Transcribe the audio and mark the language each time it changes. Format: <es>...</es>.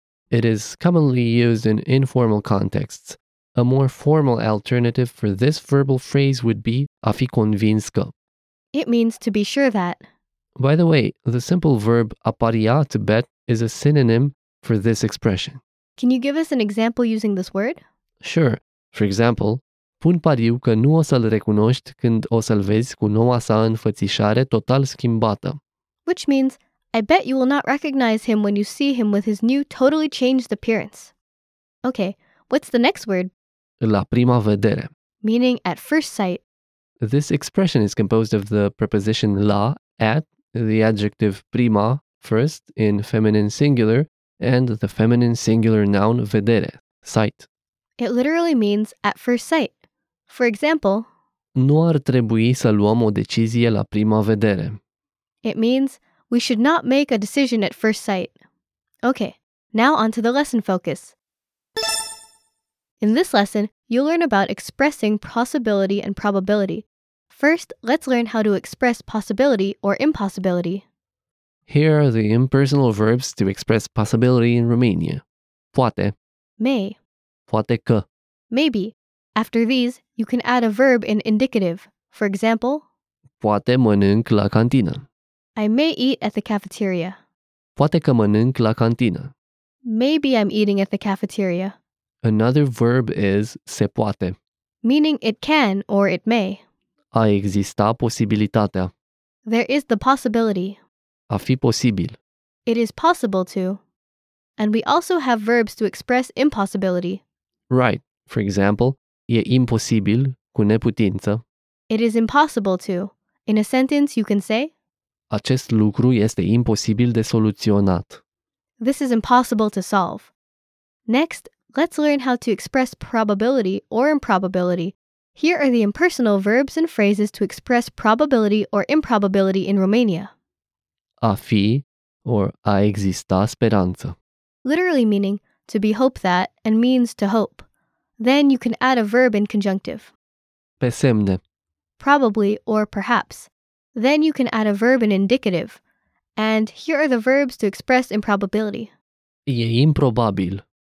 <en>It is commonly used in informal contexts. A more formal alternative for this verbal phrase would be</en> <ro>a fi convins că.</ro> <en>It means to be sure that. By the way, the simple verb a paria, to bet, is a synonym for this expression. Can you give us an example using this word? Sure. For example,</en> <ro>pun pariu că nu o să-l recunoști când o să-l vezi cu noua sa înfățișare total schimbată.</ro> <en>Which means, I bet you will not recognize him when you see him with his new, totally changed appearance. Okay, what's the next word?</en> <ro>La prima vedere.</ro> <en>Meaning at first sight. This expression is composed of the preposition la, at, the adjective prima, first, in feminine singular, and the feminine singular noun vedere, sight. It literally means at first sight. For example,</en> <ro>nu ar trebui să luăm o decizie la prima vedere.</ro> <en>It means we should not make a decision at first sight. Okay, now on to the lesson focus. In this lesson, you'll learn about expressing possibility and probability. First, let's learn how to express possibility or impossibility. Here are the impersonal verbs to express possibility in Romania.</en> <ro>Poate.</ro> <en>May.</en> <ro>Poate că.</ro> <en>Maybe. After these, you can add a verb in indicative. For example,</en> <ro>poate mănânc la cantină.</ro> <en>I may eat at the cafeteria.</en> <ro>Poate că mănânc la cantină.</ro> <en>Maybe I'm eating at the cafeteria. Another verb is se poate, meaning it can or it may.</en> <ro>A exista posibilitatea.</ro> <en>There is the possibility.</en> <ro>A fi posibil.</ro> <en>It is possible to. And we also have verbs to express impossibility. Right. For example,</en> <ro>e imposibil cu neputință.</ro> <en>It is impossible to. In a sentence, you can say,</en> <ro>acest lucru este imposibil de soluționat.</ro> <en>This is impossible to solve. Next, let's learn how to express probability or improbability. Here are the impersonal verbs and phrases to express probability or improbability in Romania.</en> <ro>A fi or a exista speranță.</ro> <en>Literally meaning to be hope that and means to hope. Then you can add a verb in conjunctive.</en> <ro>Pe semne.</ro> <en>Probably or perhaps. Then you can add a verb in indicative. And here are the verbs to express improbability.</en> <ro>E improbabil.</ro>